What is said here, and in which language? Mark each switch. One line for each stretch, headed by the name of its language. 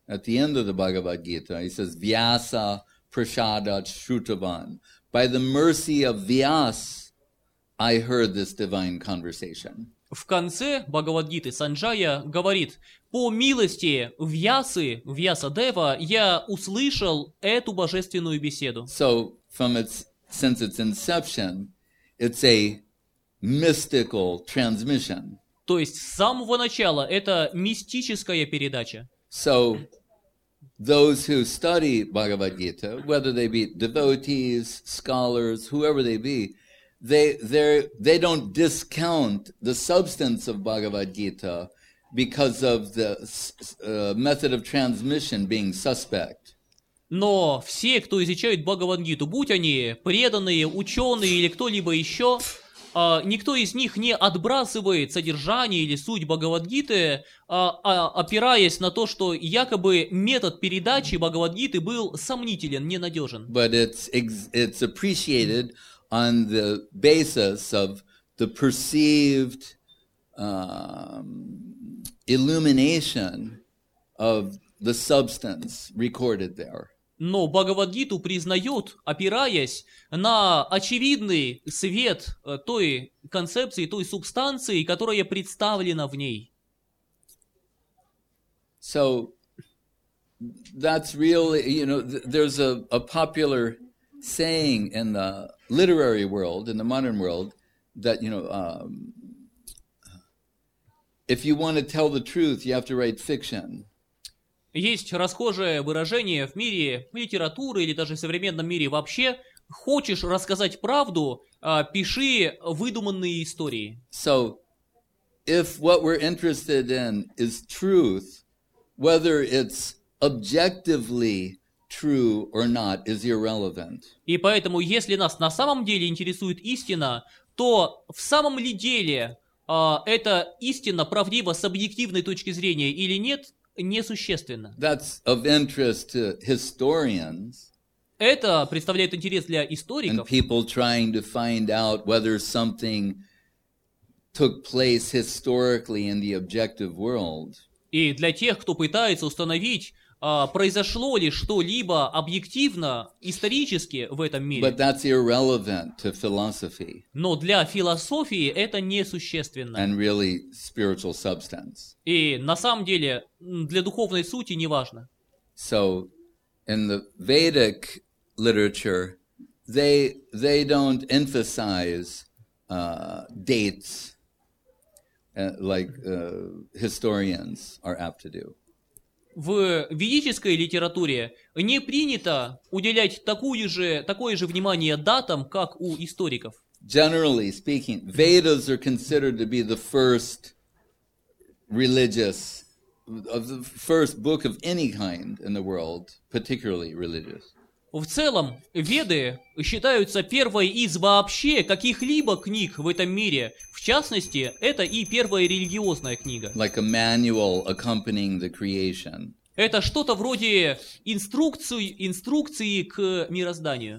English: At the end of the Bhagavad-gita, he says,
Sanskrit: Vyasa Prashadat Shrutavan.
English: By the mercy of Vyas, I heard this divine conversation.
Russian: В конце Бхагавад-гиты Санджая говорит: «По милости Вьясы, Вьясадева, я услышал эту божественную беседу».
English: So, since its inception, it's a mystical transmission.
Russian: То есть с самого начала это мистическая передача.
English: So, those who study Бхагавад-гиту, whether they be devotees, scholars, whoever they be, They don't discount the substance of Bhagavad-gita because of the method of transmission being suspect.
Russian: Но все, кто изучает Бхагавад-гиту, будь они преданные, ученые или кто-либо еще, никто из них не отбрасывает содержание или суть Бхагавад-гиты, опираясь на то, что якобы метод передачи Бхагавад-гиты был сомнителен, ненадежен.
English: But it's appreciated on the basis of the perceived illumination of the substance recorded there.
Russian: Но Бхагавад-гиту признают, опираясь на очевидный свет той концепции, той субстанции, которая представлена в ней.
English: So that's really, you know, there's a popular saying in the literary world, in the modern world, that, you know, if you want to tell the truth, you have to write fiction.
Russian: Есть расхожее выражение в мире литературы или даже в современном мире вообще: хочешь рассказать правду, пиши выдуманные истории.
English: So, if what we're interested in is truth, whether it's objectively true or not is irrelevant.
Russian: И поэтому, если нас на самом деле интересует истина, то в самом ли деле эта истина правдива с объективной точки зрения или нет, несущественно.
English: That's of interest to historians.
Russian: Это представляет интерес для историков.
English: And people trying to find out whether something took place historically in the objective world.
Russian: И для тех, кто пытается установить, произошло ли что-либо объективно, исторически в этом мире.
English: But that's irrelevant to philosophy.
Russian: Но для философии это несущественно.
English: And really spiritual substance.
Russian: И на самом деле для духовной сути не важно.
English: So, in the Vedic literature, they don't emphasize dates like historians are apt to do.
Russian: В ведической литературе не принято уделять такое же внимание датам, как у историков.
English: Generally speaking, Vedas are considered to be the first religious, of the first book of any kind in the world, particularly religious.
Russian: В целом, веды считаются первой из вообще каких-либо книг в этом мире. В частности, это и первая религиозная книга.
English: Like a manual accompanying the creation.
Russian: Это что-то вроде инструкции к мирозданию.